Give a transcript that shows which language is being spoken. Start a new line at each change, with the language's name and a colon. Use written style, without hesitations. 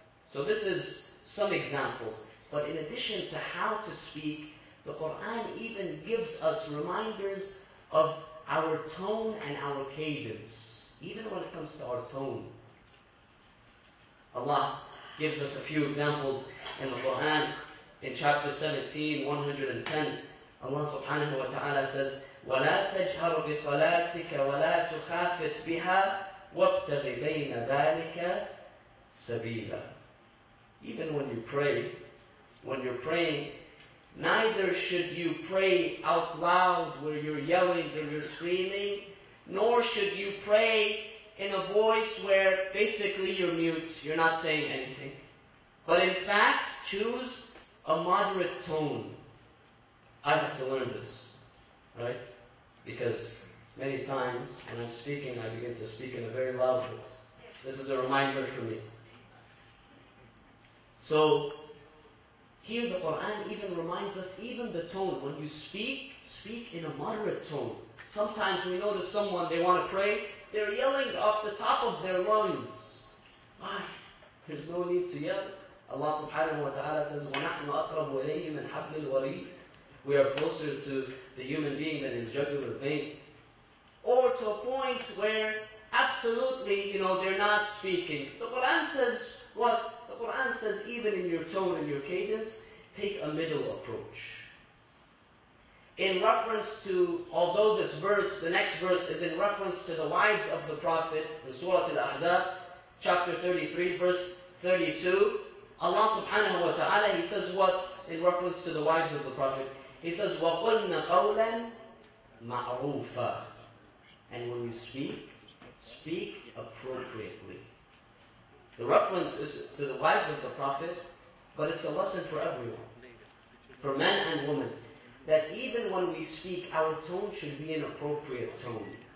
English: So this is some examples. But in addition to how to speak, the Quran even gives us reminders of our tone and our cadence, even when it comes to our tone. Allah gives us a few examples in the Quran. In chapter 17, 110, Allah subhanahu wa ta'ala says,
Arabic: وَلَا تَجْهَرُ بِصَلَاتِكَ وَلَا تُخَافِتْ بِهَا وَابْتَغِ بَيْنَ ذَلِكَ سَبِيلًا.
English: Even when you pray, when you're praying, neither should you pray out loud where you're yelling and you're screaming, nor should you pray in a voice where basically you're mute, you're not saying anything. But in fact, choose a moderate tone. I have to learn this, right? Because many times when I'm speaking, I begin to speak in a very loud voice. This is a reminder for me. So, here the Qur'an even reminds us, even the tone. When you speak, speak in a moderate tone. Sometimes we notice someone, they want to pray, they're yelling off the top of their lungs. Why? There's no need to yell. Allah subhanahu wa ta'ala says,
Arabic: وَنَحْنُ أَقْرَبُ إِلَيْهِ مِنْ حَبْلِ الْوَرِيدِ.
English: We are closer to the human being than his jugular vein. Or to a point where, absolutely, you know, they're not speaking. The Qur'an says, what? The Qur'an says, even in your tone and your cadence, take a middle approach. In reference to, although this verse, the next verse, is in reference to the wives of the Prophet, in Surah Al-Ahzab, chapter 33, verse 32, Allah subhanahu wa ta'ala, He says what, in reference to the wives of the Prophet? He says,
Arabic: وَقُلْنَ قَوْلًا مَعْرُوفًا.
English: And when you speak, speak appropriately. The reference is to the wives of the Prophet, but it's a lesson for everyone, for men and women, that even when we speak, our tone should be an appropriate tone.